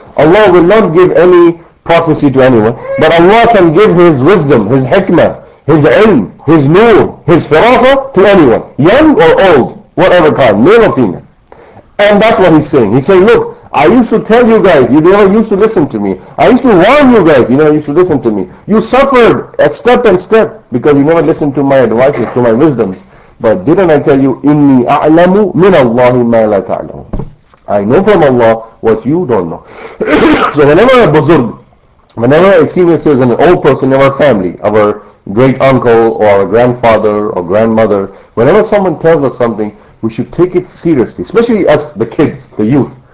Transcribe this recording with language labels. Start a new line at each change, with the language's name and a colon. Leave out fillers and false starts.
English: Allah will not give any prophecy to anyone, but Allah can give His wisdom, His hikmah, His ilm, His noor, His firasa to anyone, young or old, whatever kind, male or female. And that's what he's saying. He's saying, look, I used to tell you guys, you never used to listen to me. I used to warn you guys, you never used to listen to me. You suffered a step and step because you never listened to my advices, to my wisdoms. But didn't I tell you,
Arabic: إِنِّي أَعْلَمُ مِنَ اللَّهِ مَا لَا تَعْلَمُ.
English: I know from Allah what you don't know. So whenever a buzurg, whenever a senior citizen, an old person in our family, our great uncle or our grandfather or grandmother, whenever someone tells us something, we should take it seriously, especially us, the kids, the youth.